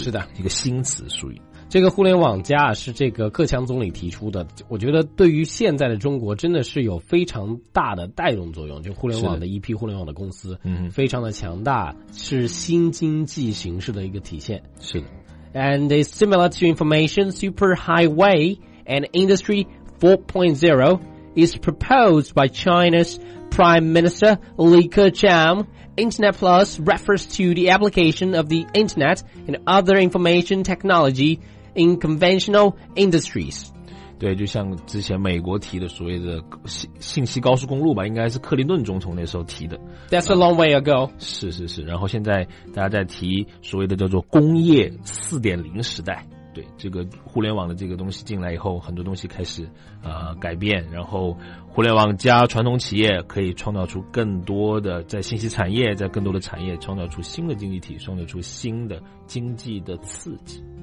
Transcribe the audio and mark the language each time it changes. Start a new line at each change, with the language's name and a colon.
Chinese: 是的，一个新词属于。这个互联网加是这个克强总理提出的，我觉得对于现在的中国真的是有非常大的带动作用，就互联网的一批互联网的公司，非常的强大，是新经济形式的一个体现。是的。
English: And it's similar to information superhighway and industry 4.0 is proposed by China's Prime Minister Li Keqiang. Internet Plus refers to the application of the internet and other information technology in conventional industries.
Chinese: 对，就像之前美国提的所谓的信息高速公路吧，应该是克林顿总统那时候提的。
English: That's a long way ago.
Chinese: 是是是，然后现在大家在提所谓的叫做工业 4.0 时代，对，这个互联网的这个东西进来以后，很多东西开始改变，然后互联网加传统企业可以创造出更多的，在信息产业，在更多的产业创造出新的经济体，创造出新的经济的刺激。